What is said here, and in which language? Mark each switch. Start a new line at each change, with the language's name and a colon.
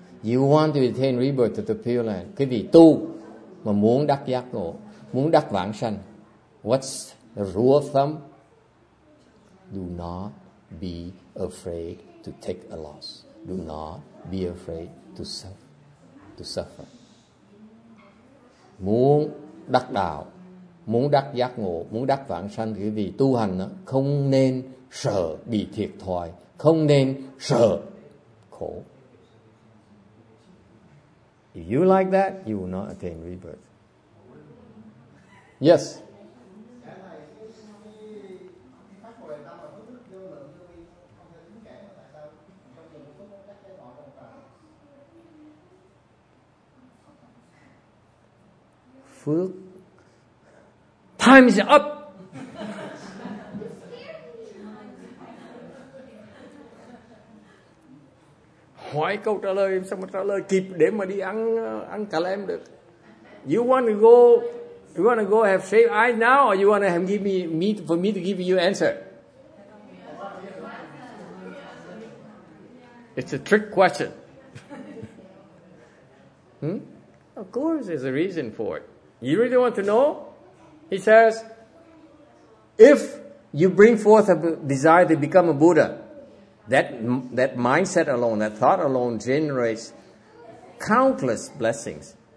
English: You want to attain rebirth to the Pure Land.
Vietnamese: Quý vị tu mà muốn đắc giác ngộ, muốn đắc vãng sanh.
English: What's the rule of thumb? Do not be afraid to take a loss. Do not be afraid to suffer.
Vietnamese: Muốn đắc đạo, muốn đắc giác ngộ, muốn đắc vãng sanh thì vì tu hành đó, không nên sợ bị thiệt thòi, không nên sợ khổ.
English: If you like that, you will not attain rebirth. Yes. Phước. Time is up.
Vietnamese: Hỏi câu trả lời sao mà trả lời kịp để mà đi ăn cà lem được.
English: You want to go have shaved eye now, or you want to give me meat for me to give you answer? It's a trick question. Of course there's a reason for it. You really want to know? He says, if you bring forth a desire to become a Buddha, that mindset alone, that thought alone generates countless blessings.